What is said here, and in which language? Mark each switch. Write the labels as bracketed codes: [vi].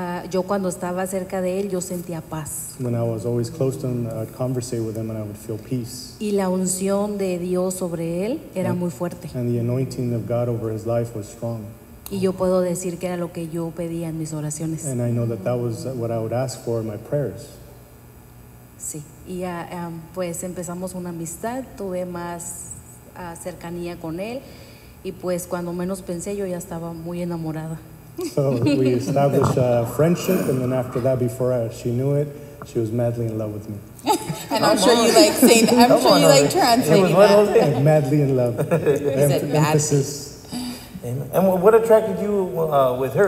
[es] Yo cuando estaba cerca de él, yo sentía paz. [en] When I was always close to him, I'd conversate with him and I would feel peace. [es] Y la unción de Dios sobre él era muy fuerte. [en] And the anointing of God over his life was strong. [es] Y yo puedo decir que era lo que yo pedía en mis oraciones. [en] And I know that was what I would ask for in my prayers. [es] Sí. Y pues empezamos una amistad, tuve más cercanía con él. Y pues cuando menos pensé, yo ya estaba muy enamorada. [en] So we established a friendship, and then after that, before she knew it, she was madly in love with me. And I'm sure you like saying, I'm Come sure on, you like translating it was that. What was it? Madly in love. Emphasis. And what attracted you with her?